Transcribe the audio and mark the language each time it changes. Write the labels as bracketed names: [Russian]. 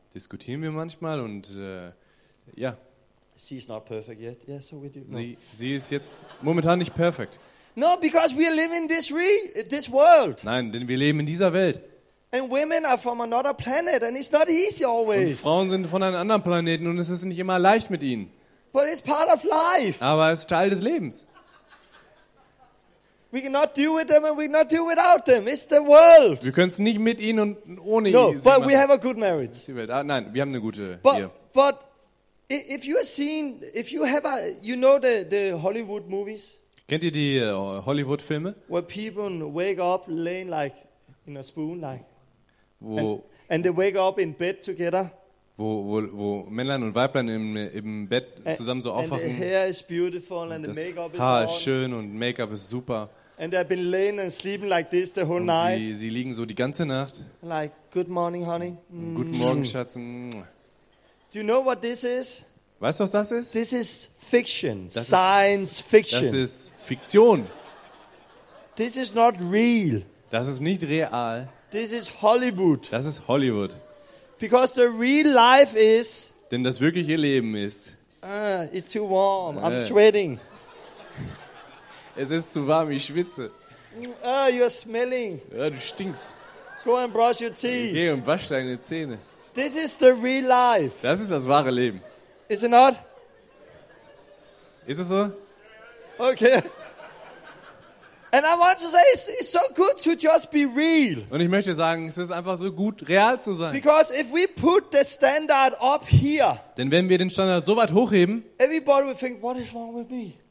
[German] Diskutieren wir manchmal und ja. [English] She is not perfect yet. Yeah, so we do. No. [German] Sie ist jetzt momentan nicht perfekt. [English] No, because we live in this world. [German] Nein, denn wir leben in dieser Welt. [English] And women are from another planet and it's not easy always. [German] Und Frauen sind von einem anderen Planeten und es ist nicht immer leicht mit ihnen. [English] But it's part of life. [German] Aber es ist Teil des Lebens. [English] We cannot do with them and we cannot do without them. It's the world. [German] Wir können es nicht mit ihnen und ohne [English] no, [German] sie. [English] No, but we have a good marriage. [German] Nein, wir haben eine gute Ehe. [English] But if you have seen, if you have a, you know the Hollywood movies. [German] Kennt ihr die Hollywood-Filme? [English] Where people wake up laying like in a spoon, like. [German] Wo? [English] And they wake up in bed together. [German] Wo Männlein und Weiblein im Bett zusammen so aufwachen. [English] And the hair is beautiful and the makeup is [German] Haar ist schön und Make-up ist super. [English] And they've been laying and sleeping like this the whole night. [German] Sie liegen so die ganze Nacht. [English] Like, good morning, honey. [German] Guten Morgen, Schatz. [English] Do you know what this is? [German] Weißt du, was das ist? [English] This is fiction. Science fiction. [German] Das ist Fiktion. [English] This is not real. [German] Das ist nicht real. [English] This is Hollywood. [German] Das ist Hollywood. [English] Because the real life is. [German] Denn das wirkliche Leben ist. [English] It's too warm. I'm sweating. [German] Es ist zu warm. Ich schwitze. [English] You're smelling. [German] Ja, du stinkst. [English] Go and brush your teeth. [German] Geh und wasch deine Zähne. [English] This is the real life. [German] Das ist das wahre Leben. [English] Is it not? [German] Ist es so? [English] Okay. And I want to say it's so good to just be real. [German] Und ich möchte sagen, es ist einfach so gut, real zu sein. [English] Because if we put the standard up here. [German] Denn wenn wir den Standard so weit hochheben. [English] Everybody will think, what is wrong with me?